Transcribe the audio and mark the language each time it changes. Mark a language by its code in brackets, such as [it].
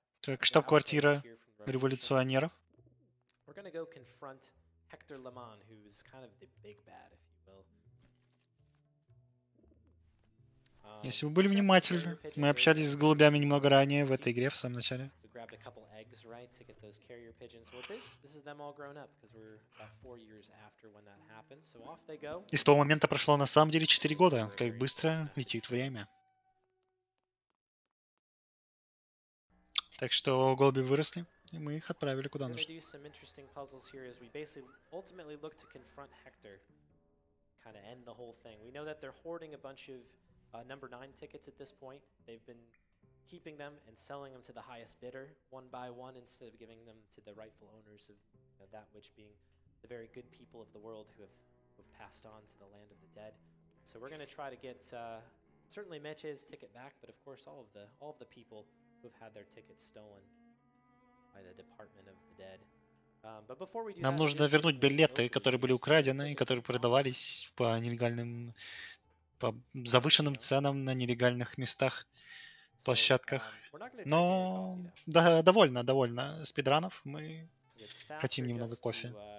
[ru] так, штаб-квартира революционеров. [en] We're gonna go confront Hector Lamont, who's kind of the big bad, if you will. [ru] Если вы были внимательны, мы общались с голубями немного ранее в этой игре, в самом начале. [en] Grabbed a couple eggs, right, to get those carrier pigeons. Well, this is them all grown up, because we're about 4 years after when that happened. So off they go. [ru] И с того момента прошло на самом деле 4 года, как быстро летит время. Так что голуби выросли. И мы их отправили куда нужно. [en] We're gonna do some interesting puzzles here as we basically ultimately look to confront Hector. Kind of end the whole thing. We know that they're hoarding a bunch of number 9 tickets at this point. They've been keeping them and selling them to the highest bidder one by one instead of giving them to the rightful owners of, you know, that which being the very good people of the world who have passed on to the land of the dead. So we're going to try to get certainly Meche's ticket back, but of course all of the people who've had their tickets stolen by the Department of the Dead. But before we do [ru] Нам [en] that, [ru] нужно вернуть билеты, которые были украдены и которые продавались по нелегальным, по завышенным ценам на нелегальных местах, площадках. Но да, довольно спидранов. Мы хотим немного кофе.